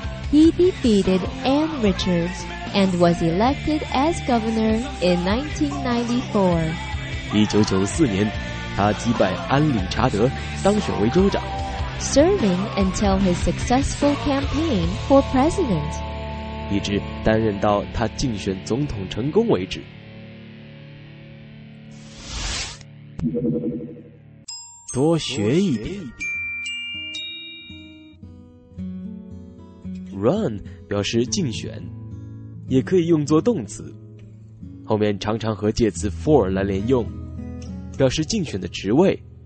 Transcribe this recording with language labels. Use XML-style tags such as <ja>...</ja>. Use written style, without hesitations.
<en>He defeated Ann Richards and was elected as governor in 1994.</en> <zh>1994年他击败安理查德当选为州长。</zh> <en>Serving until his successful campaign for president.</en> <zh>一直担任到他竞选总统成功为止。多学一点。 Run 表示竞选，也可以用作动词，后面常常和介词 for 来连用，表示竞选的职位。</zh>